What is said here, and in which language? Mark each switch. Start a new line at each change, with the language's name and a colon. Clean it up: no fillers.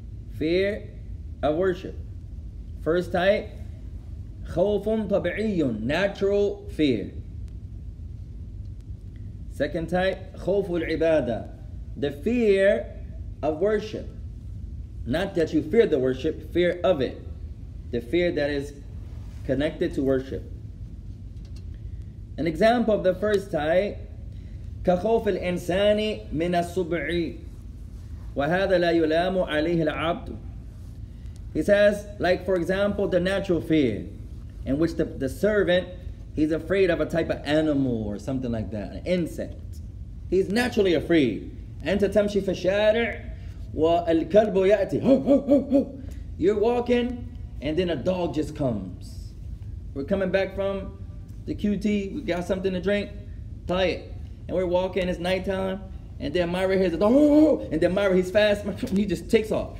English: Fear of worship. First type,
Arabic: خَوْفٌ طَبِعِيٌّ,
English: natural fear. Second type,
Arabic: خَوْفُ الْعِبَادَةِ,
English: the fear of worship. Not that you fear the worship, fear of it. The fear that is connected to worship. An example of the first type,
Arabic: كخوف الإنسان من السبع وهذا لا يلام عليه العبد.
English: He says, like for example, the natural fear in which the servant, he's afraid of a type of animal or something like that, an insect. He's naturally afraid.
Arabic: أنت تمشي في الشارع والكلب يأتي.
English: You're walking and then a dog just comes. We're coming back from the QT, we got something to drink, tie it. And we're walking, it's nighttime, and then Myra hears a dog, and then Myra, he's fast, and he just takes off.